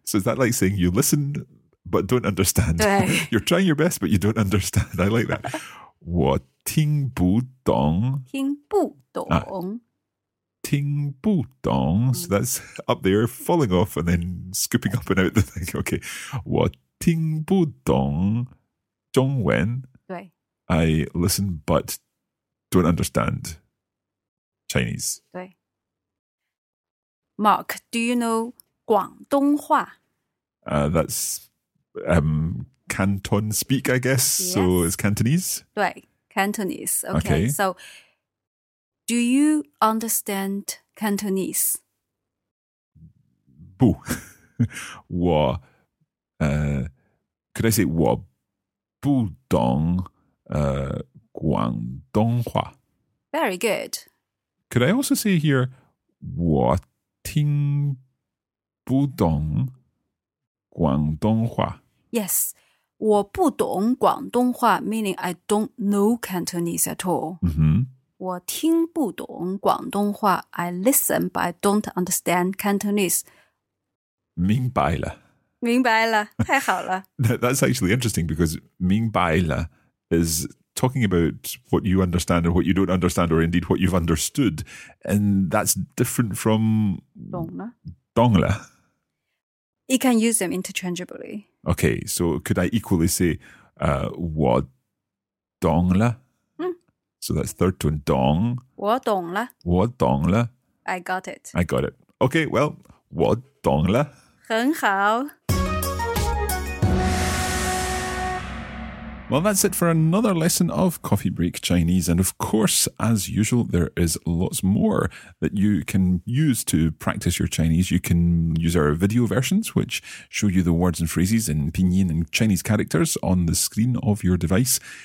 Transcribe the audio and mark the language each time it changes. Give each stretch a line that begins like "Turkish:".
English: So is that like saying you listen, but don't understand?
Chinese: 对。
English: You're trying your best, but you don't understand. I like that.
Chinese: 我听不懂。听不懂。听不懂,
English: so that's up there, falling off and then scooping up and out the thing. Okay,
Chinese: 我听不懂中文. 对.
English: I listen but don't understand Chinese.
Chinese: 对.
English: Mark, do you know
Chinese: 广东话?
English: That's Canton speak, I guess. Yes. So it's Cantonese?
Chinese: 对,
English: Cantonese. Okay, okay. So... Do you understand Cantonese?
Chinese: 不. 我,
English: could I say
Chinese: 我不懂广东话?
English: Very good. Could I also say here
Chinese: 我听不懂广东话?
English: Yes.
Chinese: 我不懂广东话
English: meaning I don't know Cantonese at all. Mm-hmm.
Chinese: 我听不懂广东话
English: I listen but I don't understand Cantonese.
Chinese: 明白了。明白了,太好了。
English: That's actually interesting because
Chinese: 明白了
English: is talking about what you understand and what you don't understand, or indeed what you've understood. And that's different from
Chinese: 懂了.
English: You can use them interchangeably. Okay, so could I equally say
Chinese: 我懂了?
English: So that's third tone,
Chinese: 懂了。我懂了。我懂了。
English: I got it. Okay, well,
Chinese: 我懂了。很好。
English: Well, that's it for another lesson of Coffee Break Chinese. And of course, as usual, there is lots more that you can use to practice your Chinese. You can use our video versions, which show you the words and phrases in pinyin and Chinese characters on the screen of your device.